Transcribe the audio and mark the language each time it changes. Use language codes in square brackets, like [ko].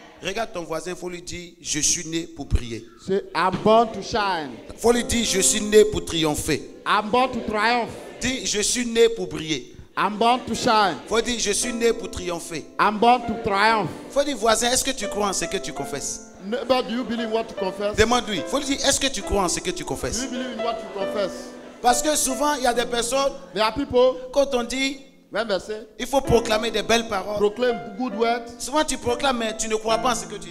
[fr] Regarde ton voisin, faut lui dire je suis né pour prier. [en] Say I'm born to shine. [fr] Faut lui dire je suis né pour triompher. [en] I'm born to triumph. [fr] Dis je suis né pour briller. [en] I'm born to shine. [fr] Faut dire, je suis né pour triompher. [en] I'm born to triumph. [fr] Faut dire, voisin, est-ce que tu crois en ce que tu confesses? [en] Neighbor, do you believe what you confess? [fr] Demande-lui. Faut lui dire, est-ce que tu crois en ce que tu confesses? [en] Do you believe in what you confess? [fr] Parce que souvent, il y a des personnes. [en] There are people. [fr] Quand on dit. [en] When they say. [fr] Il faut proclamer des belles paroles. [en] Proclaim good words. [fr] Souvent, tu proclames, mais tu ne crois pas en ce que tu dis.